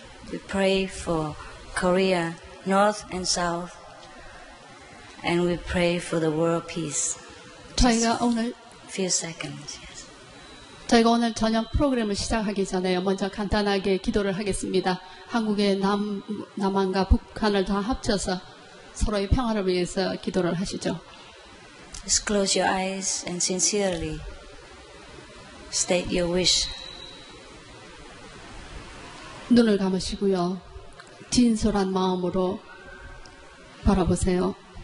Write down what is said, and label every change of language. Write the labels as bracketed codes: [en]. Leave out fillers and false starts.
[en] We pray for Korea, North and South, and we pray for the world peace. [ko] 저희가 오늘 [en] few seconds. Yes. [ko] 저희가 오늘 저녁 프로그램을 시작하기 전에 먼저 간단하게 기도를 하겠습니다. 한국의 남한과 북한을 다 합쳐서 서로의 평화를 위해서 기도를 하시죠. [en] Just close your eyes and sincerely state your wish. [ko] 눈을 감으시고요. 진솔한 마음으로 바라보세요.